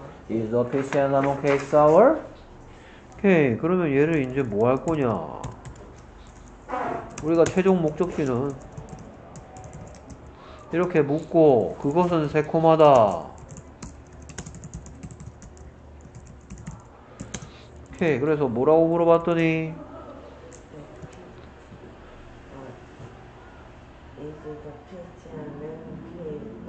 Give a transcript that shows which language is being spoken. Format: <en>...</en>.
<en>Is the peach and lemon cake sour?</en> <ko>오케이, 그러면 얘를 이제 뭐 할 거냐? 우리가 최종 목적지는 이렇게 묻고, 그것은 새콤하다. 오케이, 그래서 뭐라고 물어봤더니,</ko> <en>is it a peach and lemon cake?</en>